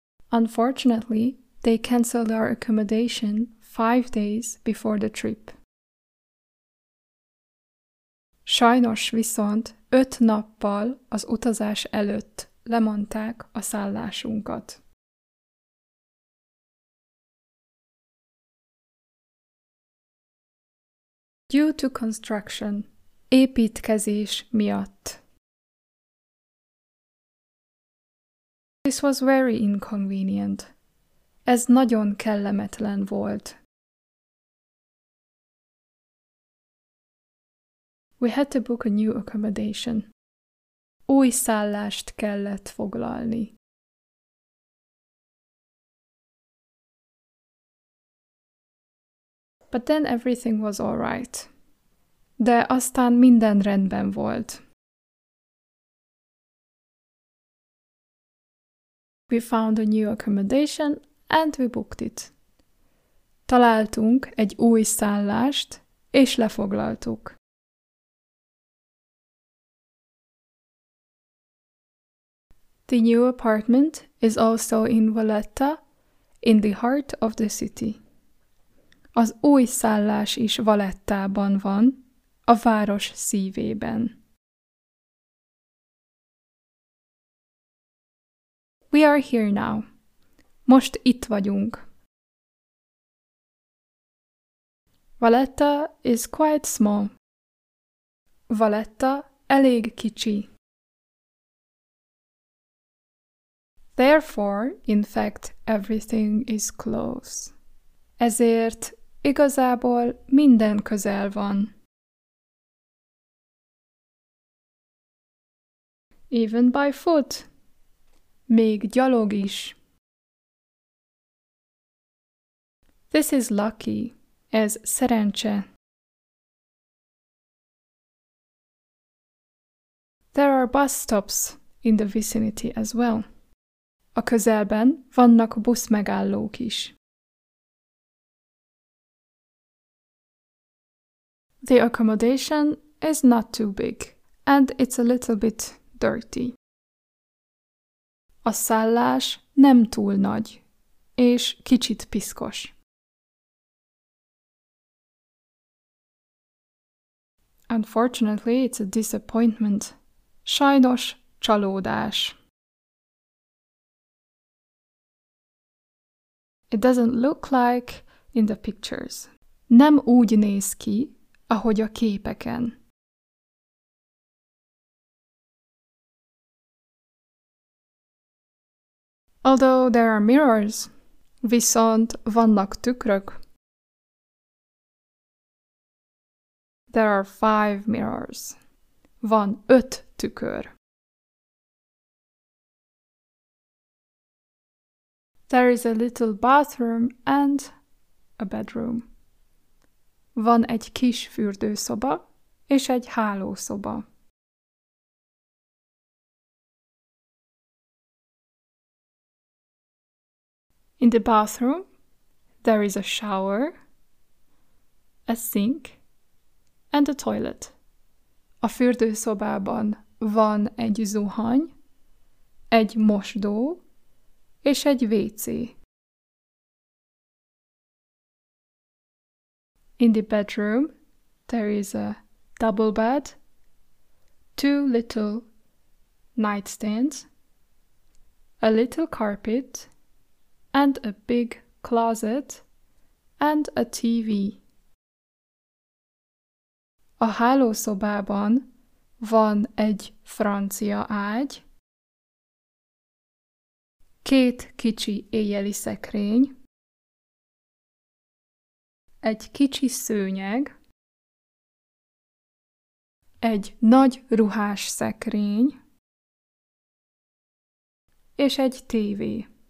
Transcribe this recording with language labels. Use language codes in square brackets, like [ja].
[en] Unfortunately, they cancelled our accommodation 5 days before the trip. [hu] Sajnos viszont 5 nappal az utazás előtt lemondták a szállásunkat. [en] Due to construction, [hu] építkezés miatt. [en] This was very inconvenient. [hu] Ez nagyon kellemetlen volt. [en] We had to book a new accommodation. [hu] Új szállást kellett foglalni. [en] But then everything was all right. [hu] De aztán minden rendben volt. [en] We found a new accommodation and we booked it. [hu] Találtunk egy új szállást és lefoglaltuk. [en] The new apartment is also in Valletta, in the heart of the city. [hu] Az új szállás is Valettában van, a város szívében. [en] We are here now. [hu] Most itt vagyunk. [en] Valletta is quite small. [hu] Valletta elég kicsi. [en] Therefore, in fact, everything is close. [hu] Ezért igazából minden közel van. [en] Even by foot. [hu] Még gyalog is. [en] This is lucky. [hu] Ez szerencse. [en] There are bus stops in the vicinity as well. [hu] A közelben vannak buszmegállók is. [en] The accommodation is not too big, and it's a little bit dirty. [hu] A szállás nem túl nagy, és kicsit piszkos. [en] Unfortunately, it's a disappointment. [hu] Sajnos csalódás. [en] It doesn't look like in the pictures. [hu] Nem úgy néz ki, ahogy a képeken. [en] Although there are mirrors, [hu] viszont vannak tükrök. [en] There are 5 mirrors. [hu] Van 5 tükör. [en] There is a little bathroom and a bedroom. [hu] Van egy kis fürdőszoba és egy hálószoba. [en] In the bathroom, there is a shower, a sink, and a toilet. [hu] A fürdőszobában van egy zuhany, egy mosdó, és egy WC. [en] In the bedroom, there is a double bed, 2 little nightstands, a little carpet, and a big closet, and a TV. [hu] A hálószobában van egy francia ágy, 2 kicsi éjjeli szekrény, egy kicsi szőnyeg, egy nagy ruhás szekrény, és egy tévé.